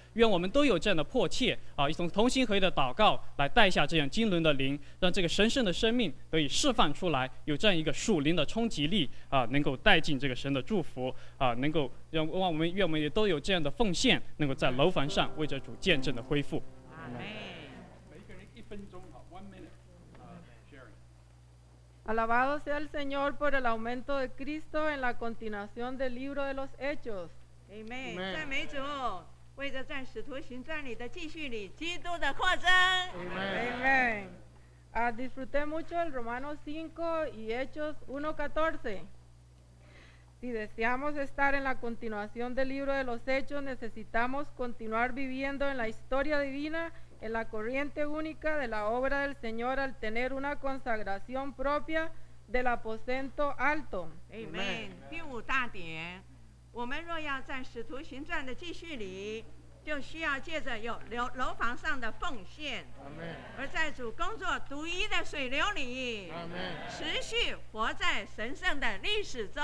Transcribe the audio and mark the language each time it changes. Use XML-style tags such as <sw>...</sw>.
<zh>愿我们都有这样的迫切啊，从同心合意的祷告来带下这样经纶的灵，让这个神圣的生命得以释放出来，有这样一个属灵的冲击力啊，能够带进这个神的祝福啊，能够让我们，愿我们也都有这样的奉献，能够在楼房上为着主见证的恢复。每个人一分钟。</zh> <es>Alabado sea el Señor por el aumento de Cristo en la continuación del libro de los Hechos. Amen. Amen.</es> <zh>赞美主，为着在使徒行传里的继续里基督的扩张。</zh> <es>Amen. Disfruté mucho el Romanos 5 y Hechos 1:14. Si deseamos estar en la continuación del libro de los Hechos, necesitamos continuar viviendo en la historia divina. En la corriente única de la obra del Señor al tener una consagración propia del aposento alto. Amen.</es> <zh>第五大点，我们若要在使徒行传的继续里，就需要借着有楼房上的奉献。 Amen. 而在主工作独一的水流里。 Amen. 持续活在神圣的历史中。</zh>